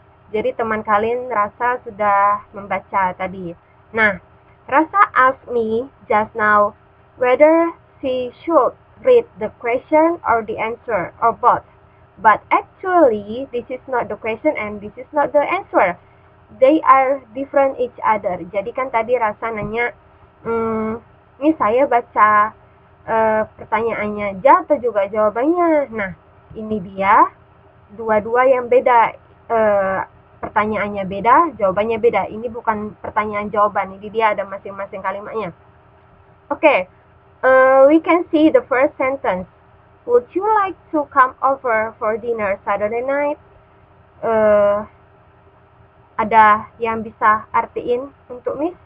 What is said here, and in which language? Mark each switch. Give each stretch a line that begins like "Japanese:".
Indonesian: Jadi teman kalian Rasa sudah membaca tadi.
English: Nah, Rasa asked me just now whether she should read the question or the answer or both. But actually, this is not the question and this is not the answer. They are different each other.
Indonesian: Jadi kan tadi Rasa nanya, ini saya baca pertanyaannya aja atau juga jawabannya. Nah, ini dia dua-dua yang beda. Pertanyaannya beda, jawabannya beda. Ini bukan pertanyaan jawaban. Ini dia ada masing-masing kalimatnya.
English: Okay, we can see the first sentence. Would you like to come over for dinner Saturday night?
Indonesian: Ada yang bisa artiin untuk Miss?